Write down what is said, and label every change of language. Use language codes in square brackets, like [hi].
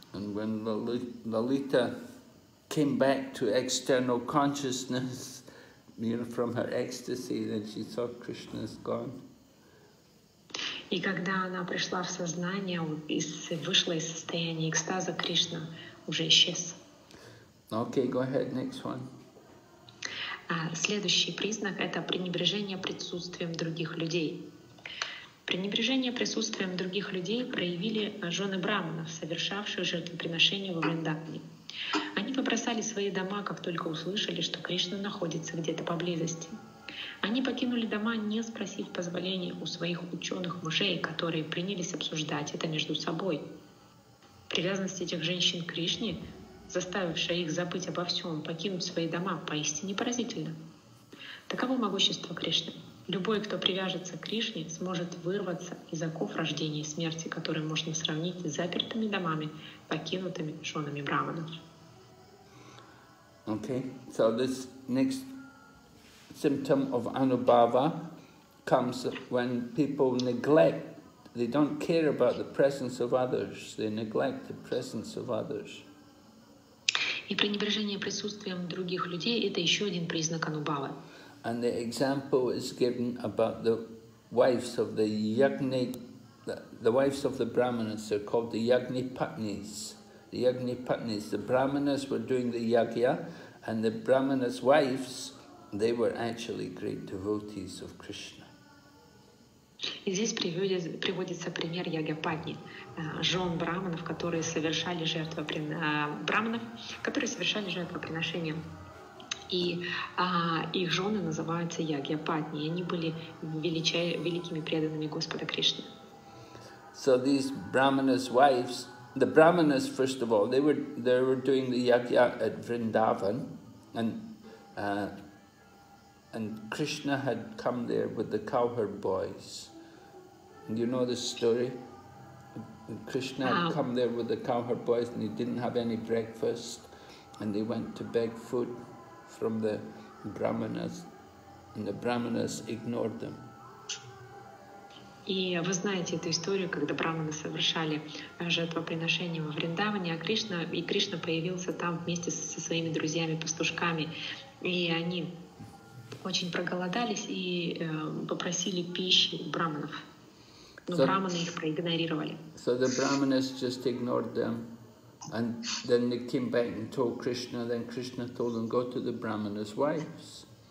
[en] And when Lolita came back to external consciousness, you know, from her ecstasy, then she saw Krishna is gone. [ru] И когда она пришла в сознание, вышла из состояния экстаза, Кришна уже исчез. [en] Okay, go ahead, next one. [ru] Следующий признак – это пренебрежение присутствием других людей. Пренебрежение присутствием других людей проявили жены браманов, совершавших жертвоприношение во Вриндаване. Они побросали свои дома, как только услышали, что Кришна находится где-то поблизости. Они покинули дома, не спросив позволения у своих ученых мужей, которые принялись обсуждать это между собой. Привязанность этих женщин к Кришне, заставившая их забыть обо всем, покинуть свои дома, поистине поразительна. Таково могущество Кришны. Любой, кто привяжется к Кришне, сможет вырваться из оков рождения и смерти, которые можно сравнить с запертыми домами, покинутыми женами браманов. [en] Okay, so this next symptom of anubhava comes when people neglect, they don't care about the presence of others, they neglect the presence of others. [ru] И пренебрежение присутствием других людей – это еще один признак анубавы. [en] And the example is given about the wives of the Yagni, the wives of the Brahmanas are called the Yagni Patnis. The Yagni Patnis, the Brahmanas were doing the Yagya, and the Brahmanas' wives, they were actually great devotees of Krishna. [ru] И здесь приводится пример Ягьяпатни, жен браманов, которые совершали жертвоприношение. И их жены называются Ягьяпатни, и они были великими преданными Господа Кришны. [en] So these brahmanas' wives, the brahmanas, first of all, they were doing the yagya at Vrindavan, and Krishna had come there with the cowherd boys. You know the story? Krishna had come there with the cowherd boys and he didn't have any breakfast, and they went to beg food from the brahmanas, and the brahmanas ignored them. [ru] И вы знаете эту историю, когда браманы совершали жертвоприношение во Вриндаване, а Кришна появился там вместе со своими друзьями-пастушками, и они очень проголодались и попросили пищи у браманов. Но браманы их проигнорировали. [en] So the brahmanas just ignored them. And then they came back and told Krishna, then Krishna told them, go to the brahmana's wives.